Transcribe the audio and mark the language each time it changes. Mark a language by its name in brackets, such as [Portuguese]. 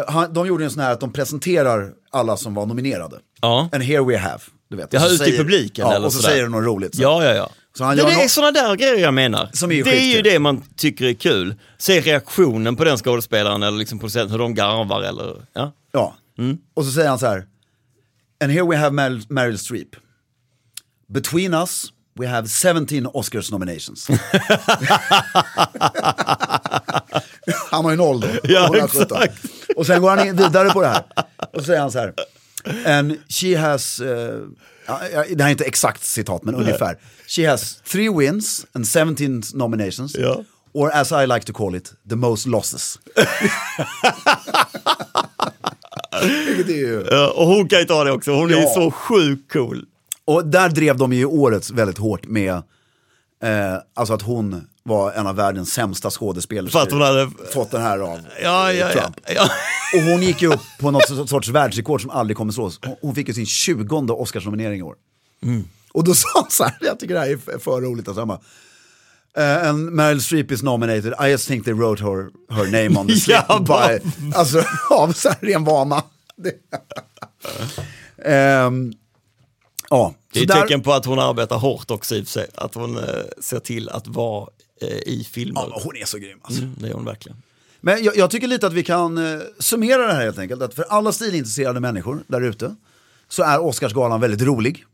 [Swedish] De gjorde en sån här att de presenterar alla som var nominerade. Ja. [English] And here we have, [Swedish] du vet. Jag har ute i publiken. Ja, eller och så säger det något roligt. Så. Ja. Så han gör det är såna där grejer jag menar. Som är ju det är ju det man tycker är kul. Se reaktionen på den skådespelaren eller liksom producenten, hur de garvar. Eller, ja. Ja. Mm. Och så säger han så här... [English] And here we have Meryl Streep. Between us, we have 17 Oscars nominations. [Swedish] Han har ju noll då. Ja, och sen går han vidare på det här. Och så säger han så här. [English] And she has... [Swedish] det här är inte exakt citat, men ungefär. [English] She has 3 wins and 17 nominations. [Swedish] Ja. [English] Or as I like to call it, the most losses. [Swedish] Och hon kan ju ta det också. Hon är så sjukt cool. Och där drev de ju året väldigt hårt med alltså att hon var en av världens sämsta skådespelare. För att hon hade fått den här av Trump. Ja. Och hon gick ju upp på något sorts världsrekord som aldrig kommer slås. Hon fick ju sin 20:e Oscarsnominering i år. Mm. Och då sa han så här, jag tycker det här är för roligt att säga. [English] And Meryl Streep is nominated. I just think they wrote her name on the slip. [Swedish] Ja, by, alltså av så här ren vana. Det är ett tecken på att hon arbetar hårt också i sig. Att hon ser till att vara i filmen. Ja, hon är så grym alltså. Det är hon verkligen. Men jag tycker lite att vi kan summera det här helt enkelt. Att för alla stilintresserade människor där ute så är Oscarsgalan väldigt rolig.